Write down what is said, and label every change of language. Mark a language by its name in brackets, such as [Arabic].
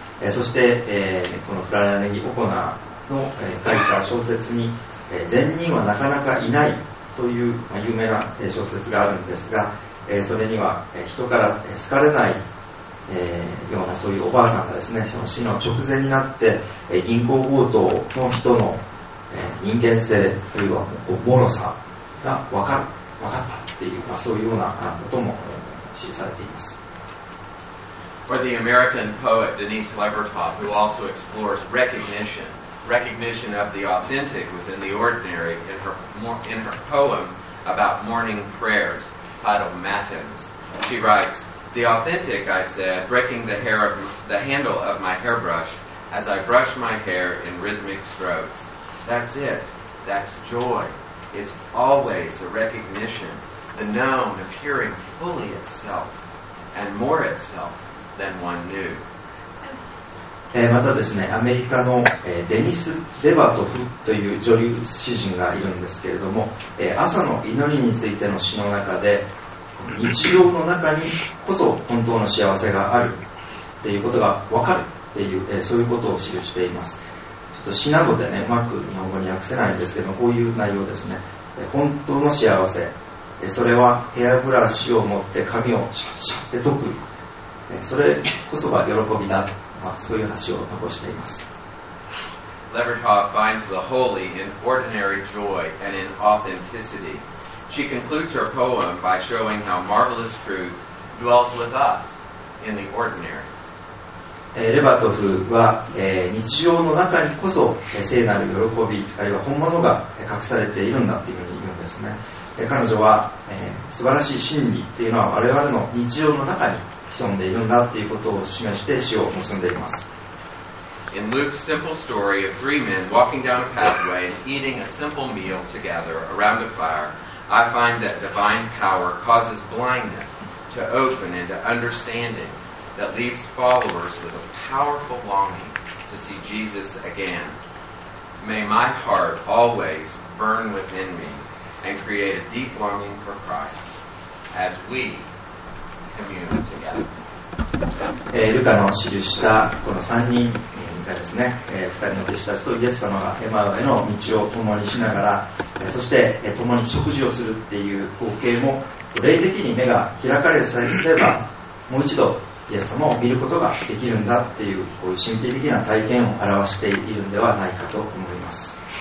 [Japanese] そしてこのフラネギ・オコナーの書いた小説に善人はなかなかいないという有名な小説があるんですが、それには人から好かれないようなそういうおばあさんがですね、その死の直前になって銀行強盗の人の人間性というかもう脆さが分かったっていう、そういうようなことも記されています。 [English] For the American poet Denise Levertov, who also explores recognition of the authentic within the ordinary in her poem about morning prayers titled Matins, she writes, "The authentic," I said, breaking the handle of my hairbrush as I brush my hair in rhythmic strokes. That's it. That's joy. It's always a recognition. The known appearing fully itself and more itself than one knew. [Japanese] またですね、アメリカのデニス・レバトフという女流詩人がいるんですけれども、朝の祈りについての詩の中で、日常の中にこそ本当の幸せがあるということが分かるていう、そういうことを記しています。ちょっとシナゴでね、うまく日本語に訳せないんですけど、こういう内容ですね。本当の幸せ、それはヘアブラシを持って髪をシャッシャッって解く、それこそが喜びだ、まあ、そういう話を残しています。 [English] Levertov finds the holy in ordinary joy and in authenticity. She concludes her poem by showing how marvelous truth dwells with us in the ordinary. [Japanese] レバトフは、日常の中にこそ聖なる喜び、あるいは本物が隠されているんだというふうに言うんですね。彼女は、素晴らしい真理というのは我々の日常の中に潜んでいるんだということを示して詩を結んでいます。 [English] In Luke's simple story of three men walking down a pathway and eating a simple meal together around a fire, I find that divine power causes blindness to open into understanding that leaves followers with a powerful longing to see Jesus again. May my heart always burn within me and create a deep longing for Christ as we commune together. [Japanese] ルカの記したこの3人ですね、2人の弟子たちとイエス様がエマウへの道を共にしながら、そして共に食事をするっていう光景も、霊的に目が開かれさえすればもう一度イエス様を見ることができるんだっていう、こういう神秘的な体験を表しているんではないかと思います。